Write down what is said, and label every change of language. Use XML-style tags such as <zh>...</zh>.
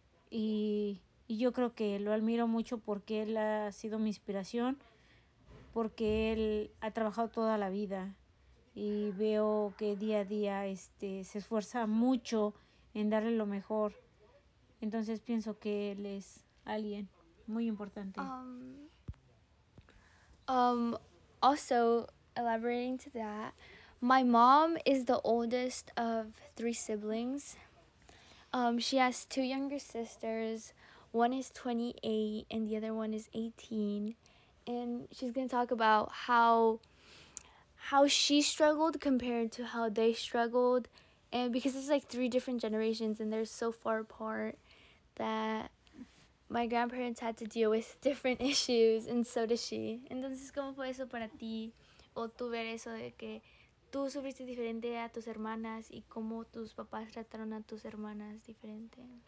<es>Y yo creo que lo admiro mucho porque él ha sido mi inspiración, porque él ha trabajado toda la vida y veo que día a día se esfuerza mucho en darle lo mejor. Entonces pienso que él es alguien muy importante.</es> <en>Also, elaborating to that, my mom is the oldest of three siblings. She has two younger sisters. One is 28 and the other one is 18. And she's going to talk about how she struggled compared to how they struggled. And because it's like three different generations and they're so far apart that my grandparents had to deal with different issues and so does she.</en> <es>Entonces, ¿cómo fue eso para ti? ¿O tú ver eso de que tú sufriste diferente a tus hermanas y cómo tus papás trataron a tus hermanas diferente?</es>